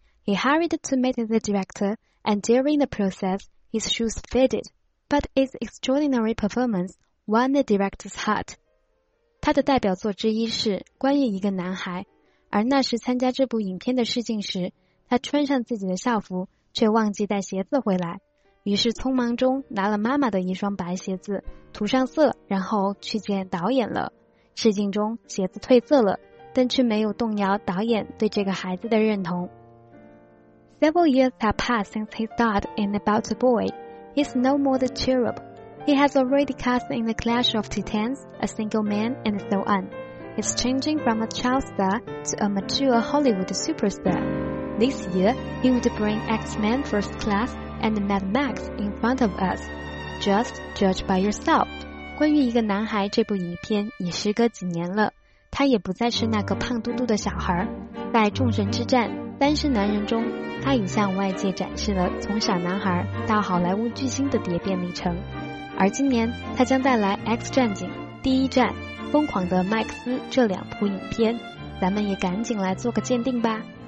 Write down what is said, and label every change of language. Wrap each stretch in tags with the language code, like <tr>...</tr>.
<en>He hurried to meet the director, and during the process, his shoes faded. But his extraordinary performance won the director's heart.</en> <zh>他的代表作之一是《关于一个男孩》，而那时参加这部影片的试镜时，他穿上自己的校服，却忘记带鞋子回来。于是匆忙中拿了妈妈的一双白鞋子涂上色，然后去见导演了。试镜中鞋子褪色了，但却没有动摇导演对这个孩子的认同。</zh> <en>Several years have passed since he starred in About a Boy. He's no more the cherub. He has already cast in The Clash of Titans, A Single Man, and so on. He's changing from a child star to a mature Hollywood superstar. This year, he would bring X-Men First Class,and Mad Max in front of us. Just judge by yourself.</en> <zh>关于一个男孩这部影片已时隔几年了，他也不再是那个胖嘟嘟的小孩。在众神之战单身男人中，他已向外界展示了从小男孩到好莱坞巨星的蝶变历程。而今年他将带来 X 战警、第一战、疯狂的麦克斯这两部影片，咱们也赶紧来做个鉴定吧。</zh>